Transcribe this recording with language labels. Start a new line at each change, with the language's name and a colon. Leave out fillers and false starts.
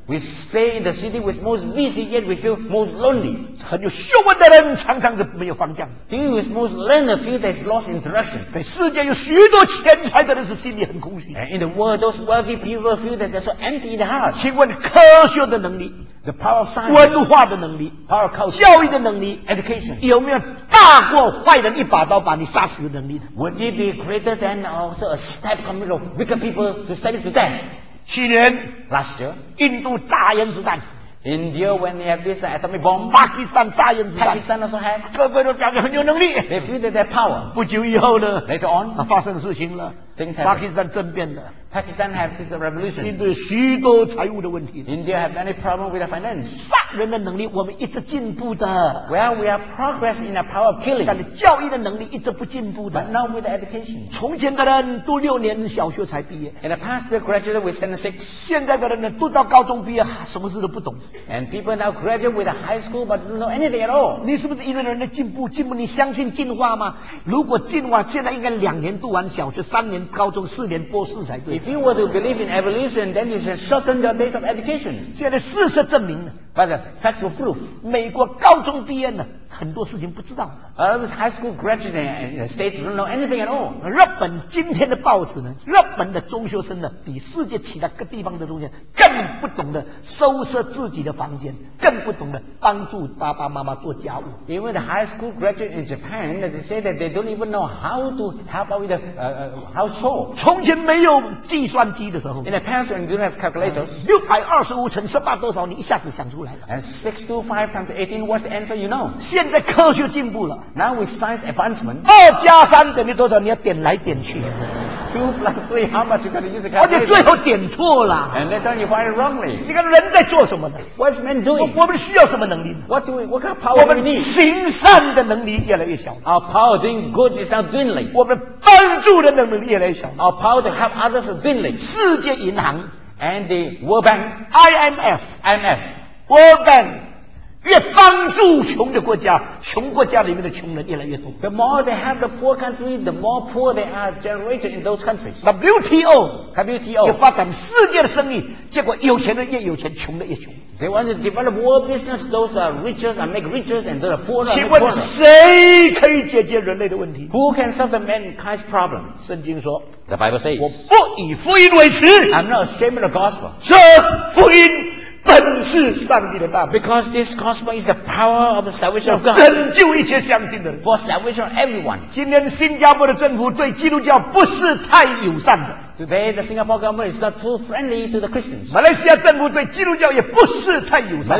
English: We stay in the city with most busy, yet we feel most lonely.
Chinese: 很有学问的人常常是没有方向。
English: Being with most learned few that is lost in direction.
Chinese: 在世界有许多钱财的人是心里很空虚。
English: And in the world, those wealthy people feel that they're so empty in the heart.
Chinese: 请问科学的能力
English: ，the power of science，
Chinese: 文化的能力
English: ，power of culture，
Chinese: 教育的能力
English: ，education，
Chinese: 有没有大过坏人一把刀把你杀死的能力
English: ？Would it be greater than also a step coming of wicked people to step to death？
Chinese: 去年
English: ，last year，
Chinese: 印度炸原子弹。
English: India when they have this atomic bomb,
Chinese: Pakistan 炸原子弹
English: ，Pakistan also have，
Chinese: 各国都表示很有能力
English: ，they feel that they have power。
Chinese: 不久以后呢
English: ，later on，
Chinese: 发生事情了。
English: things happen.
Chinese: Pakistan 政变的。
English: Pakistan have this revolution.
Chinese: 印度许多财务的问题。
English: India have many problem with the finance.
Chinese: 杀人的能力我们一直进步的。
English: Well, we are progress in the power of killing.
Chinese: 但教育的能力一直不进步的。
English: But not with the education.
Chinese: 从前的人读六年小学才毕业。
English: In the past, we graduated with 7 or 6.
Chinese: 现在的人呢，读到高中毕业，什么事都不懂。
English: And people now graduate with a high school but don't know anything at all.
Chinese: 你是不是因为人的进步？进步，你相信进化吗？如果进化，现在应该2年读完小学，3年高中，4年博士才对。
English: If you were to believe in evolution, then you should shorten your days of education.
Chinese: 现在事实证明了
English: ，But the facts of proof,
Chinese: 美国高中毕业呢，很多事情不知道。
English: High school graduate in the state don't know anything at all.
Chinese: 日本今天的报纸呢，日本的中学生呢，比世界其他各地方的中学生更不懂得收拾自己的房间，更不懂得帮助爸爸妈妈做家务。因为
English: the high school graduate in Japan, they say that they don't even know how to help out with the household.
Chinese: 从前没有计算机的时候
English: ，In the past when you don't have calculators,
Chinese: 625乘18多少，你一下子想出来了。
English: And 625 times 18, what's the answer you know?
Chinese: 现在科学进步了
English: ，Now with science advancement,
Chinese: 2+3等于多少？你要点来点去。
English: 2+3, how much you got to use a calculator?
Chinese: 而且最后点错了。
English: And then you find it wrongly.
Chinese: 你看人在做什么呢
English: ？What's man doing?
Chinese: 我们需要什么能力
English: ？What do we? What kind of power do we need?
Chinese: 我们行善的能力越来越小。
English: Our power doing good is now dwindling.
Chinese: 我们帮助的能力越来越小。
English: Our power to help others is dwindling.
Chinese: 世界银行
English: and the World Bank, IMF, IMF, World Bank.
Chinese: 越帮助穷的国家，穷国家里面的穷人越来越多。
English: The more they have the poor country, the more poor they are generated in those countries. WTO, WTO
Chinese: 发展世界的生意，结果有钱的越有钱，穷的越穷。
English: They want to develop world business. Those are richer and make richer, and those are poorer.
Chinese: 请问谁可以解决人类的问题
English: ？Who can solve the mankind's problem?
Chinese: 圣经说
English: ，The Bible says,
Chinese: 我不以福音为耻。
English: I'm not ashamed of the gospel.
Chinese: 这福音。本是上帝的大能
English: ，because this gospel is the power of the salvation of God，
Chinese: 拯救一切相信的人
English: ，for salvation of everyone。
Chinese: 今天新加坡的政府对基督教不是太友善的
English: ，today the Singapore government is not too friendly to the Christians。
Chinese: 马来西亚政府对基督教也不是太友善